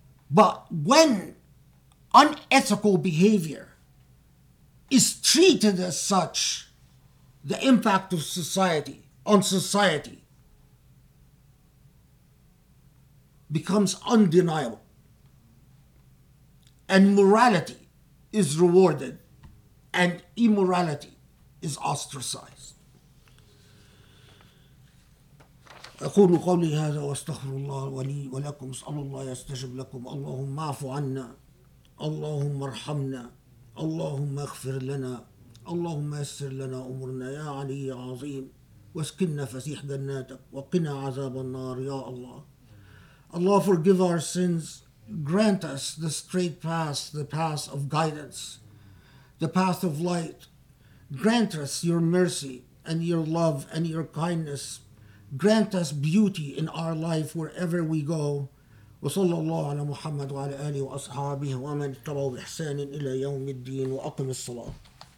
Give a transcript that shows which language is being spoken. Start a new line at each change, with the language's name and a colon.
English: But when unethical behavior is treated as such, the impact of society on society becomes undeniable, and morality is rewarded and immorality is ostracized.
Arabic: أقول قولي هذا واستغفر الله ولي ولكم اسأل الله يستجب لكم اللهم اعف عنا اللهم ارحمنا اللهم اغفر لنا اللهم يسر لنا أمورنا يا علي عظيم واسكننا فسيح جناتك وقنا عذاب النار يا الله.
English: Allah forgive our sins, grant us the straight path, the path of guidance, the path of light. Grant us your mercy and your love and your kindness. Grant us beauty in our life wherever we go.
Arabic: وصلى الله على محمد وعلى آله وأصحابه ومن اتبعوا بإحسان إلى يوم الدين وأقم الصلاة.